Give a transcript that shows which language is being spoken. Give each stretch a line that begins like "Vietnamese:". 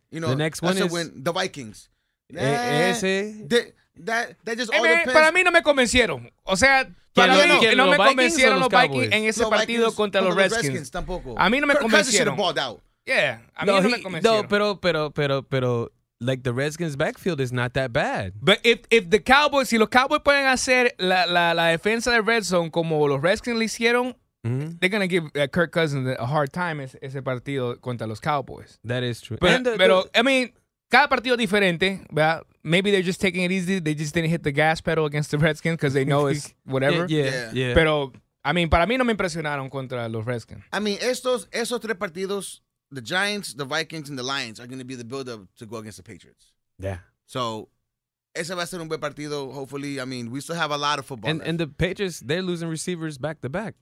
English: You know, the next one is the Vikings.
Spanish: Ese.
English: That just all depends.
Spanish: Para mí no me convencieron. O sea, no me convencieron los Vikings en ese partido contra los Redskins. Tampoco. A mí no me convencieron.
English: Kirk Cousins should have balled out.
Spanish: Yeah. A mí no me convencieron. No, pero.
English: Like the Redskins' backfield is not that bad. But if the Cowboys,
Spanish: si los Cowboys pueden hacer la defensa de Red Zone como los Redskins le hicieron,
English: they're going to give Kirk Cousins a hard time
Spanish: ese partido contra los Cowboys.
English: That is true.
Spanish: But cada partido diferente, ¿verdad?
English: Maybe they're just taking it easy. They just didn't hit the gas pedal against the Redskins because they know it's whatever. Yeah.
Spanish: Pero, para mí no me impresionaron contra los Redskins. Estos tres partidos...
English: The Giants, the Vikings, and the Lions are going to be the build-up to go against the Patriots. Yeah. So,
Spanish: ese va a ser un buen partido,
English: hopefully. I mean, we still have a lot of football. And the Patriots, they're losing receivers back-to-back.